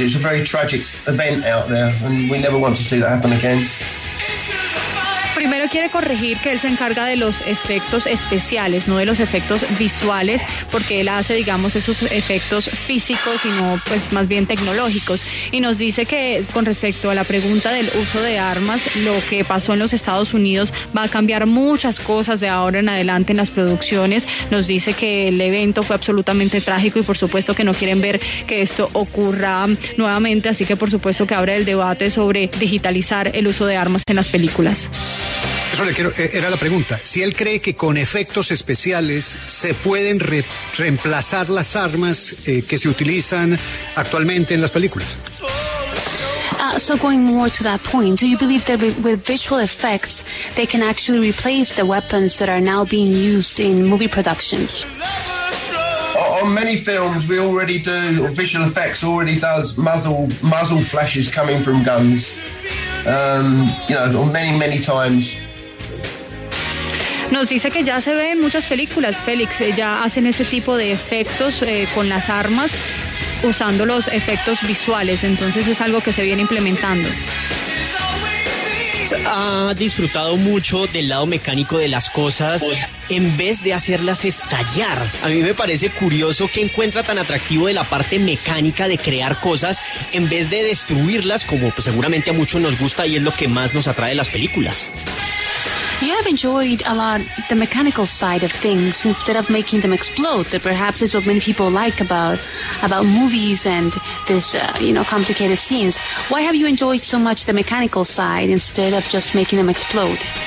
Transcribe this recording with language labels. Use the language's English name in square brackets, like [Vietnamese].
[English] It's a very tragic event out there, and we never want to see that happen again. [Spanish] primero quiere corregir que él se encarga de los efectos especiales, no de los efectos visuales, porque él hace, digamos, esos efectos físicos y no, pues, más bien tecnológicos. Y nos dice que con respecto a la pregunta del uso de armas, lo que pasó en los Estados Unidos va a cambiar muchas cosas de ahora en adelante en las producciones. Nos dice que el evento fue absolutamente trágico y por supuesto que no quieren ver que esto ocurra nuevamente, así que por supuesto que abre el debate sobre digitalizar el uso de armas en las películas. Eso le quiero, era la pregunta. Si él cree que con efectos especiales se pueden reemplazar las armas que se utilizan actualmente en las películas. [English] So going more to that point, do you believe that with visual effects they can actually replace the weapons that are now being used in movie productions? On many films, we already do, visual effects already does muzzle flashes coming from guns, many, many times. [Spanish] Nos dice que ya se ve en muchas películas, Félix, ya hacen ese tipo de efectos con las armas, usando los efectos visuales, entonces es algo que se viene implementando. Ha disfrutado mucho del lado mecánico de las cosas en vez de hacerlas estallar. A mí me parece curioso que encuentra tan atractivo de la parte mecánica de crear cosas en vez de destruirlas, como pues seguramente a muchos nos gusta y es lo que más nos atrae de las películas. [English] You have enjoyed a lot the mechanical side of things instead of making them explode, that perhaps is what many people like about movies and this, complicated scenes. Why have you enjoyed so much the mechanical side instead of just making them explode?